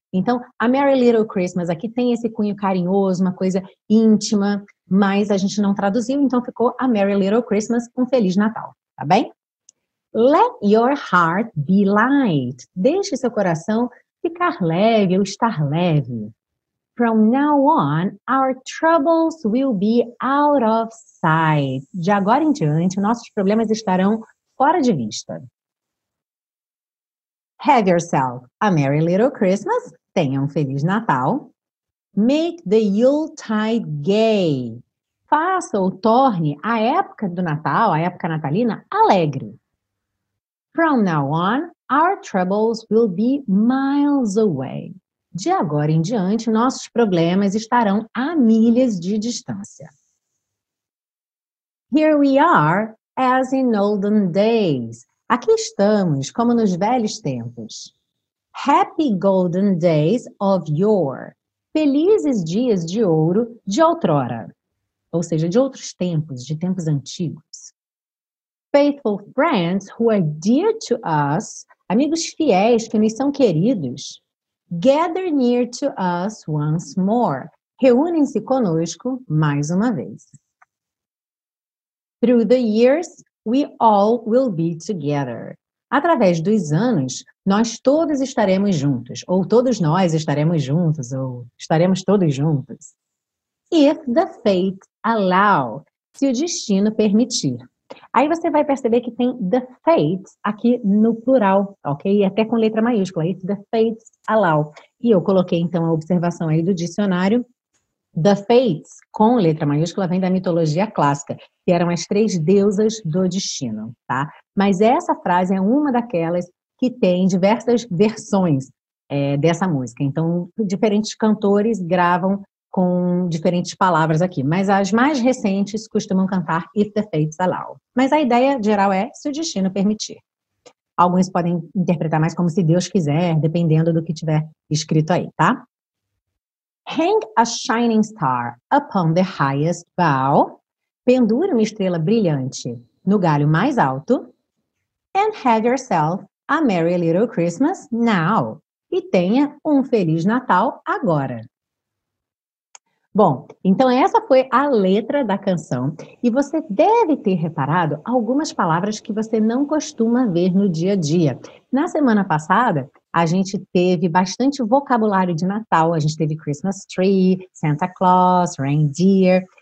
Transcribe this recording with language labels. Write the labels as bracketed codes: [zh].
[pt] Então, a Merry Little Christmas aqui tem esse cunho carinhoso, uma coisa íntima, mas a gente não traduziu, então ficou a Merry Little Christmas, um Feliz Natal, tá bem? [en] Let your heart be light. [pt] Deixe seu coração ficar leve ou estar leve. [en] From now on, our troubles will be out of sight. [pt] De agora em diante, nossos problemas estarão fora de vista. [en] Have yourself a Merry Little Christmas. [pt] Tenha um Feliz Natal. [en] Make the Yuletide gay. [pt] Faça ou torne a época do Natal, a época natalina, alegre. [en] From now on, our troubles will be miles away. [pt] De agora em diante, nossos problemas estarão a milhas de distância. [en] Here we are. As in olden days. [pt] Aqui estamos, como nos velhos tempos. [en] Happy golden days of yore. [pt] Felizes dias de ouro de outrora. Ou seja, de outros tempos, de tempos antigos. [en] Faithful friends who are dear to us. [pt] Amigos fiéis que nos são queridos. [en] Gather near to us once more. [pt] Reúnem-se conosco mais uma vez. [en] Through the years, we all will be together. [pt] Através dos anos, nós todos estaremos juntos, ou todos nós estaremos juntos, ou estaremos todos juntos. [en] If the fate allow, [pt] se o destino permitir. Aí você vai perceber que tem the fate aqui no plural, ok? Até com letra maiúscula, [en] if the fate allow. [pt] E eu coloquei então a observação aí do dicionário. The Fates, com letra maiúscula, vem da mitologia clássica, que eram as três deusas do destino, tá? Mas essa frase é uma daquelas que tem diversas versões dessa música. Então, diferentes cantores gravam com diferentes palavras aqui, mas as mais recentes costumam cantar [en] If the Fates Allow. [pt] Mas a ideia geral é se o destino permitir. Alguns podem interpretar mais como se Deus quiser, dependendo do que tiver escrito aí, tá? [en] Hang a shining star upon the highest bough. [pt] Pendure uma estrela brilhante no galho mais alto. [en] And have yourself a merry little Christmas now. [pt] E tenha um Feliz Natal agora. Bom, então essa foi a letra da canção. E você deve ter reparado algumas palavras que você não costuma ver no dia a dia. Na semana passada, a gente teve bastante vocabulário de Natal. A gente teve Christmas tree, Santa Claus, reindeer.